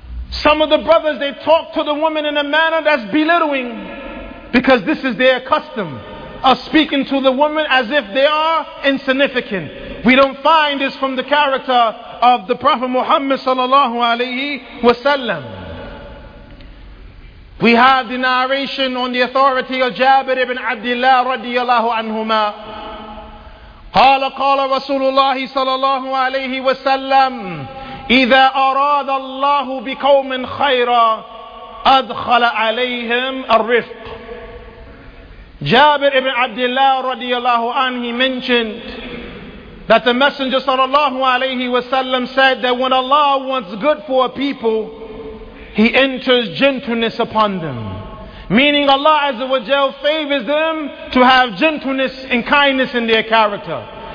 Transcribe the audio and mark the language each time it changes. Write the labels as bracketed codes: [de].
[en] Some of the brothers, they talk to the woman in a manner that's belittling, because this is their custom of speaking to the woman as if they are insignificant. We don't find this from the character of the Prophet Muhammad sallallahu alayhi wasallam. We have the narration on the authority of Jabir ibn Abdullah radiyallahu anhuma. [ar] قال قال رسول الله صلى الله عليه وسلم إذا أراد الله بقوم خيرا أدخل عليهم الرفق. [en] Jabir ibn Abdullah radiyallahu anhu mentioned that the Messenger [ar] صلى الله عليه وسلم [en] said that when Allah wants good for a people, He enters gentleness upon them. Meaning Allah Azza wa Jal favors them to have gentleness and kindness in their character.